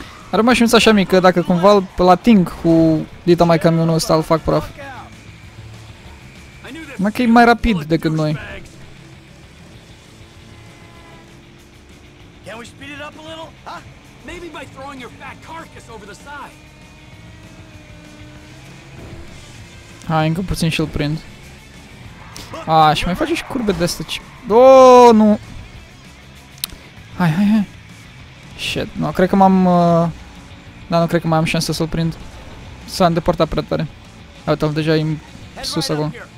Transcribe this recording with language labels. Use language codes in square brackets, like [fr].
[ro] Are mașința așa mică, dacă cumva îl ating cu dita mai camionul ăsta, îl fac praf. Mă, că e mai rapid decât noi. [en] Can we speed it up a little? Huh? Maybe by throwing your fat carcass over the side. [ro] Hai, încă puțin și-l prind. A, și mai face și curbe de astea. Oh, nu. Hai. [en] Shit, [ro] nu, cred că m-am... Da, nu cred că mai am șansă să-l prind. S-a îndepărtat prea tare. Uite-l, deja e sus acum.